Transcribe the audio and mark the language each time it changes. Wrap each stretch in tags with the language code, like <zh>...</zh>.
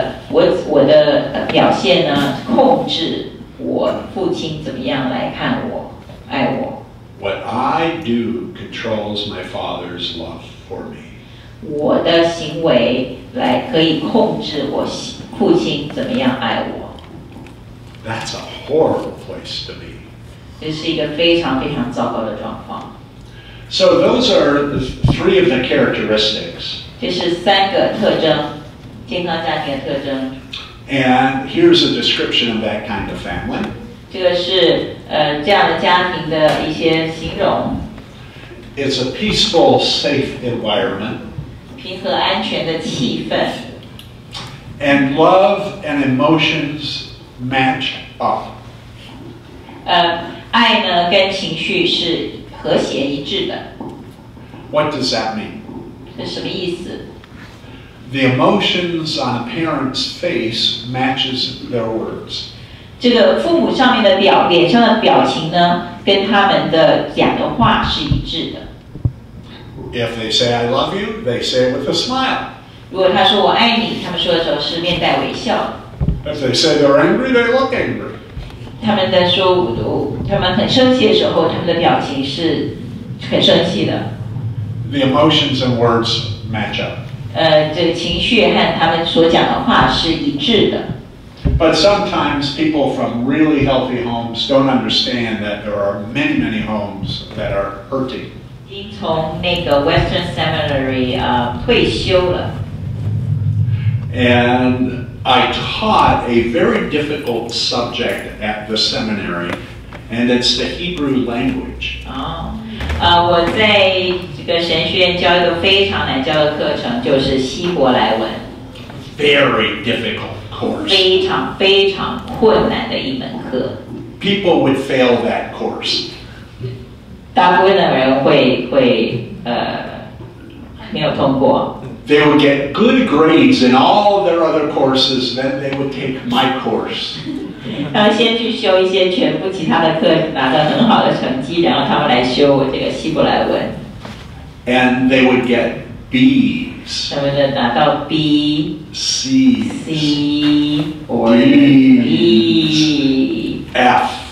<zh>我的表现呢，控制我父亲怎么样来看我，爱我。</zh> <en>What I do controls my father's love for me.</en> <zh>我的行为来可以控制我父亲怎么样爱我。</zh> <en>That's a horrible place to be.</en> <zh>这是一个非常非常糟糕的状况。</zh> <en>So those are the three of the characteristics.</en> <zh>这是三个特征，健康家庭的特征。</zh> <en>And here's a description of that kind of family.</en> <zh>这个是这样的家庭的一些形容。</zh> <en>It's a peaceful, safe environment.</en> <zh>平和安全的气氛。</zh> <en>And love and emotions match up.</en> <zh>爱呢跟情绪是。和谐一致的。</zh> <en>What does that mean?</en> <zh>这什么意思？</zh> <en>The emotions on a parent's face matches their words.</en> <zh>这个父母上面的表，脸上的表情呢，跟他们的讲的话是一致的。</zh> <en>If they say I love you, they say it with a smile.</en> <zh>如果他说我爱你，他们说的时候是面带微笑。</zh> <en>If they say they're angry, they look angry.</en> <zh>他们在说五毒，他们很生气的时候，他们的表情是很生气的。</zh> <en>The emotions and words match up.</en> <zh>这个情绪和他们所讲的话是一致的。</zh> <en>But sometimes people from really healthy homes don't understand that there are many, many homes that are hurting.</en> <zh>已从那个 Western Seminary 退休了。</zh> <en>And I taught a very difficult subject at the seminary, and it's the Hebrew language.</en> <zh>我在这个神学院教一个非常难教的课程，就是希伯来文。</zh> <en>Very difficult course.</en> <zh>非常非常困难的一门课。</zh> <en>People would fail that course.</en> <zh>大部分的人会没有通过。</zh> <en>They would get good grades in all their other courses, then they would take my course.</en> <zh>他们先去修一些全部其他的课，拿到很好的成绩，然后他们来修我这个希伯来文。</zh> <en>And they would get B's.</en> <zh>他们就拿到 B,</zh> <en>C, C, or D's, E, F.</en>